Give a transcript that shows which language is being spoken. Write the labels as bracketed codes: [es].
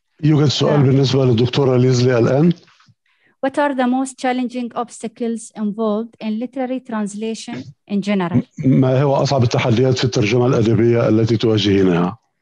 [en] You can [ar] سؤال بالنسبة لدكتورة ليزلي الآن. [en] What are the most challenging obstacles involved in literary translation in general? [ar] ما هو أصعب التحديات في الترجمة الأدبية التي تواجهينها؟